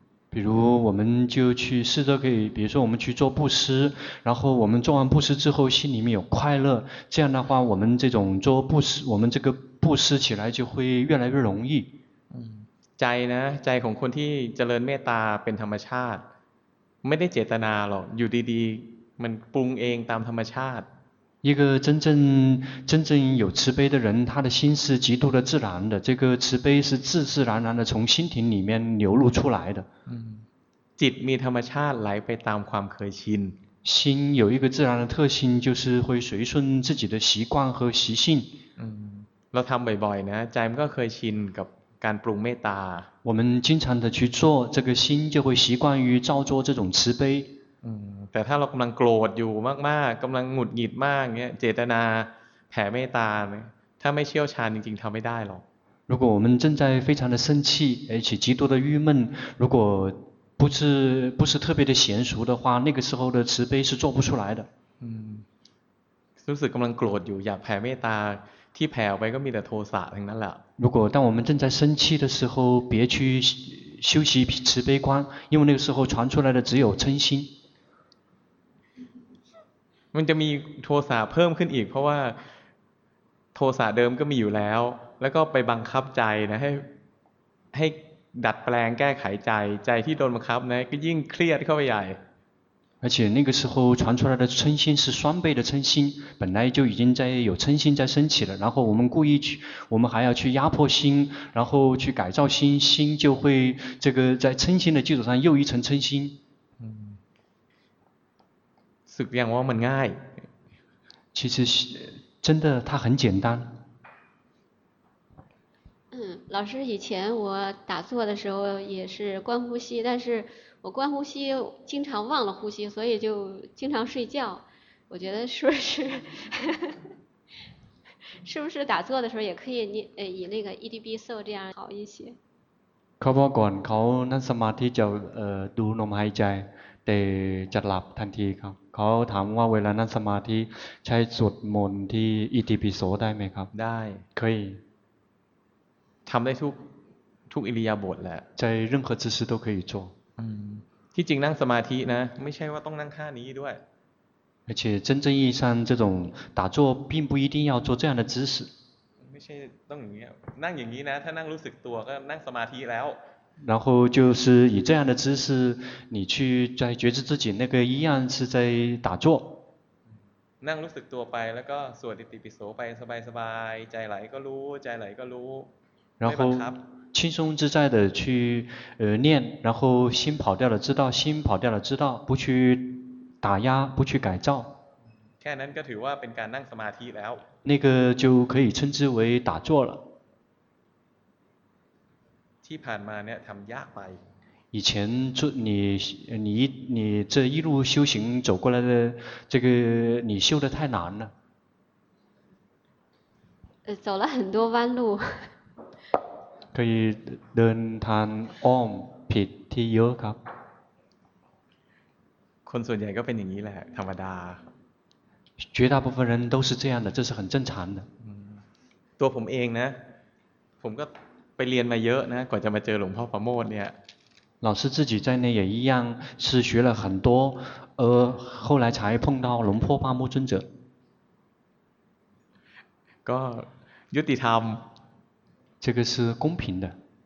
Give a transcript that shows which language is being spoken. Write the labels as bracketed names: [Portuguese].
[Chinese] 比如我们就去试着可以比如说我们去做布施然后我们做完布施之后心里面有快乐这样的话我们这种做布施我们这个布施起来就会越来越容易 [Thai] ใจนะใจของคนที่เจริญเมตตาเป็นธรรมชาติไม่ได้เจตนาหรอกอยู่ดีๆมันปรุงเองตามธรรมชาติ [Chinese] 一个真正有慈悲的人他的心是极度的自然的这个慈悲是自然的从心庭里面流露出来的 [Thai] จิตมีธรรมชาติไหลไปตามความเคยชิน [Chinese] 心有一个自然的特性就是会随顺自己的习惯和习性 [Thai] เราทำบ่อยๆนะใจมันก็เคยชินกับการปรุงเมตตา [Chinese] 我们经常的去做这个心就会习惯于照做这种慈悲 [Thai] แต่ถ้าเรากำลังโกรธอยู่มากๆกำลังหงุดหงิดมากเงี้ยเจตนาแผ่เมตตาถ้าไม่เชี่ยวชาญจริงๆทำไม่ได้หรอก [Chinese] 如果我们正在非常的生气而且极度的郁闷如果不是特别的娴熟的话那个时候的慈悲是做不出来的 [Thai] รู้สึกกำลังโกรธอยู่อยากแผ่เมตตาที่แผ่ไปก็มีแต่โทสะทั้งนั้นแหละ [Chinese] 如果当我们正在生气的时候别去修习慈悲观因为那个时候传出来的只有嗔心 [Thai] มันจะมีโทสะเพิ่มขึ้นอีกเพราะว่าโทสะเดิมก็มีอยู่แล้วแล้วก็ไปบังคับใจนะให้ดัดแปลงแก้ไขใจที่โดนบังคับนะก็ยิ่งเครียดเข้าไปใหญ่ [Chinese] 而且那个时候传出来的嗔心是双倍的嗔心本来就已经在有嗔心在升起了然后我们故意去我们还要去压迫心然后去改造心就会这个在嗔心的基础上又一层嗔心 [Thai] สึกอย่างว่ามันง่าย [Chinese] 其实真的它很简单老师以前我打坐的时候也是观呼吸但是我观呼吸经常忘了呼吸所以就经常睡觉我觉得是不是是不是打坐的时候也可以以那个 EDB SO 这样好一些 [Thai] เขาบอกก่อนเขานั่งสมาธิจะดูลมหายใจแต่จะหลับทันทีครับเขาถามว่าเวลานั่งสมาธิใช้สวดมนต์ที่อิติปิโสได้ไหมครับ ได้เคย ทำได้ทุกอิริยาบถแหละ [Chinese] ใจ任何姿势都可以做 [Thai] ที่จริงนั่งสมาธินะไม่ใช่ว่าต้องนั่งท่านี้ด้วย [Chinese] 而且真正意义上这种打坐并不一定要做这样的姿势。 [Thai] ไม่ใช่ต้องอย่างนี้นั่งอย่างนี้นะถ้านั่งรู้สึกตัวก็นั่งสมาธิแล้ว [Chinese] 然后就是以这样的姿势你去在觉知自己那个一样是在打坐 [Thai] นั่งรู้สึกตัวไปแล้วก็สวดอิติปิโสไปสบายๆใจไหลก็รู้ใจไหลก็รู้ [Chinese] 然后轻松自在的去念然后心跑掉了知道心跑掉了知道不去打压不去改造 [Thai] แค่นั้นก็ถือว่าเป็นการนั่งสมาธิแล้ว [Chinese] 那个就可以称之为打坐了。 [Thai] ที่ผ่านมาเนี่ยทำยากไป [Chinese] 以前你这一路修行走过来的这个你修得太难了。走了很多弯路。 [Thai] 可以เดินทางอ้อมผิดที่เยอะครับ คนส่วนใหญ่ก็เป็นอย่างนี้แหละธรรมดา [Chinese] 绝大部分人都是这样的，这是很正常的。 [Thai] ตัวผมเองนะผมก็ไปเรียนมาเยอะนะกว่าจะมาเจอหลวงพ่อประโมทเนี่ย [Chinese] 老师自己在内也一样是学了很多而后来才碰到龙破八木尊者 [Thai] ก็ยุติธรรม [Chinese] 这个是公平的